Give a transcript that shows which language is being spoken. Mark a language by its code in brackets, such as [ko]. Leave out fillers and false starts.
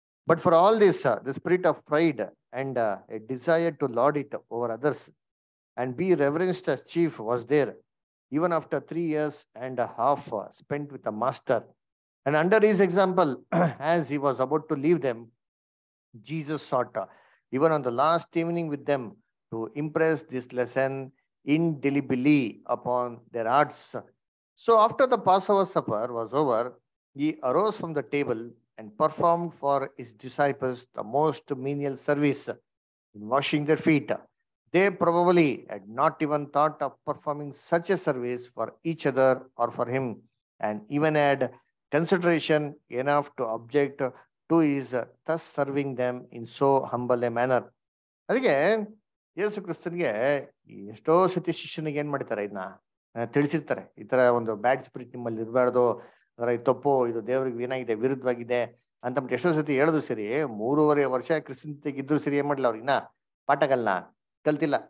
[en] But for all this the spirit of pride and a desire to lord it over others and be reverenced as chief was there even after 3 years and half spent with a master and under his example as he was about to leave them Jesus sat even on the last evening with them to impress this lesson indelibly upon their hearts. So after the Passover supper was over, he arose from the table and performed for his disciples the most menial service in washing their feet. They probably had not even thought of performing such a service for each other or for him, and even had consideration enough to object to his thus serving them in so humble a manner. Again, [kn] ಯೇಸು ಕ್ರಿಸ್ತನಿಗೆ ಎಷ್ಟೋ ಸತಿ ಶಿಷ್ಯನಿಗೆ ಏನ್ ಮಾಡ್ತಾರೆ, ಇದನ್ನ ತಿಳಿಸಿರ್ತಾರೆ, ಈ ತರ ಒಂದು ಬ್ಯಾಡ್ ಸ್ಪಿರಿಟ್ ನಿಮ್ಮಲ್ಲಿ ಇರಬಾರ್ದು, ಅದರ ಈ ತಪ್ಪು ಇದು ದೇವ್ರಿಗೆ ಏನಾಗಿದೆ ವಿರುದ್ಧವಾಗಿದೆ ಅಂತ ಬಿಟ್ಟು ಎಷ್ಟೋ ಸತಿ ಹೇಳುದು ಸರಿ. 3.5 ವರ್ಷ ಕ್ರಿಸ್ತನ ಜೊತೆಗೆ ಇದ್ರು ಸರಿ, ಏನ್ ಮಾಡ್ಲಿಲ್ಲ ಅವ್ರಿಗಿನ್ನ ಪಾಠಗಳನ್ನ ಕಲ್ತಿಲ್ಲ.